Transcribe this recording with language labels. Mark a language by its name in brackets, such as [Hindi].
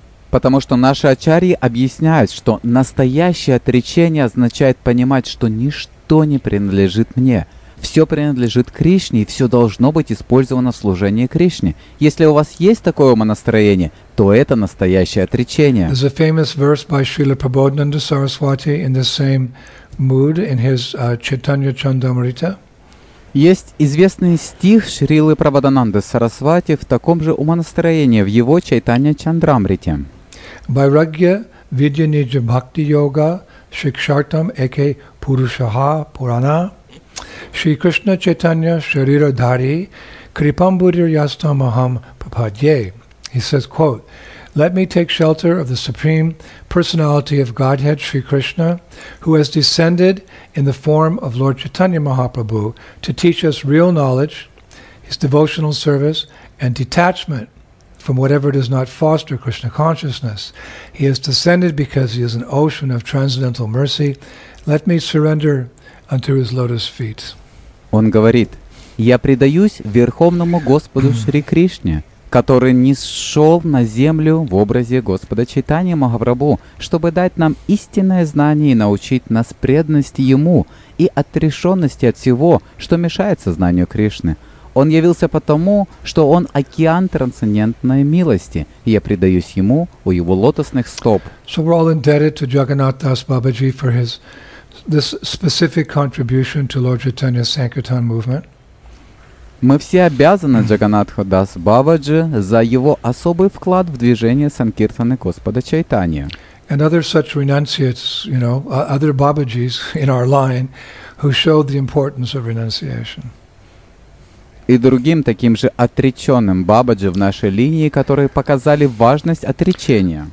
[Russian] Потому что наши ачарьи объясняют, что настоящее отречение означает понимать, что ничто не принадлежит мне. Все принадлежит Кришне, и все должно быть использовано в служении Кришне. Если у вас есть такое умонастроение, то это настоящее отречение. [English] There's a famous verse by Srila Prabodhananda Saraswati in the same mood in his Chaitanya Chandamrita. [Russian] Есть известный стих Шрилы Прабхупады Сарасвати в таком же умонастроении в его Чайтанья Чандрамрите. [Sanskrit] Байрагья видья ниджа бхакти йога шикшартам эке пурушаха пурана Шри Кришна Чайтанья шарира дхари крипамбудир ястам ахам пападье. [English] He says, quote, "Let me take shelter of the Supreme Personality of Godhead, Sri Krishna, who has descended in the form of Lord Chaitanya Mahaprabhu to teach us real knowledge, his devotional service, and detachment from whatever does not foster Krishna consciousness. He has descended because he is an ocean of transcendental mercy. Let me surrender unto his lotus feet. [Russian] Он говорит: Я предаюсь Верховному Господу Шри Кришне, который нисшел на землю в образе Господа Чайтаньи Махапрабху, чтобы дать нам истинное знание и научить нас преданности Ему и отрешенности от всего, что мешает сознанию Кришны. Он явился потому, что Он океан трансцендентной милости, и я предаюсь Ему у Его лотосных стоп. [English] So we're all indebted to Jagannath Das Babaji for his this specific contribution to Lord Chaitanya's Sankirtan movement. [Russian] Мы все обязаны Джаганнатху Дас Бабаджи за его особый вклад в движение Санкиртаны Господа Чайтанья. [English] And other such renunciates, you know, other Babajis in our line who showed the importance of renunciation. [Russian] И другим таким же отреченным Бабаджи в нашей линии, которые показали важность отречения.